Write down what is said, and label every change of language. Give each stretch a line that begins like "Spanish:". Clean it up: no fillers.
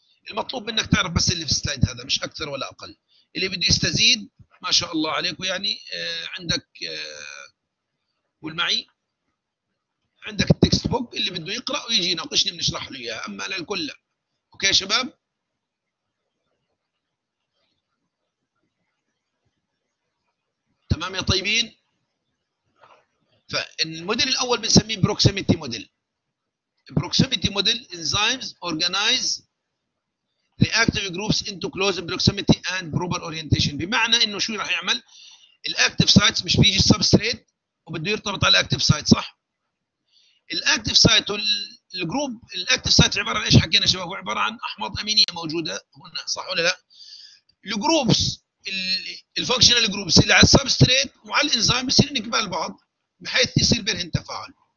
Arabic: المطلوب منك تعرف بس اللي في السلايد هذا مش اكثر ولا اقل. اللي بده يستزيد ما شاء الله عليك، ويعني عندك قول معي عندك التكست بوك اللي بده يقرا ويجي يناقشني بنشرح له اياها، اما للكل لا. اوكي يا شباب، تمام يا طيبين. فالموديل الاول بنسميه بروكسيميتي موديل.
English: Proximity model enzymes organize reactive groups into close proximity and proper orientation.
Arabic: بمعنى انه شو راح يعمل؟ الاكتف سايتس مش بيجي السبستريت وبده يرتبط على الاكتف سايت صح؟ الاكتف سايت والجروب، الاكتف سايت عباره عن ايش حكينا شباب؟ هو عباره عن احماض امينيه موجوده هنا صح ولا لا؟ الجروبس الفانكشنال جروبس اللي على السبستريت وعلى الانزيم بصير نكمل بعض بحيث يصير بينهم تفاعل.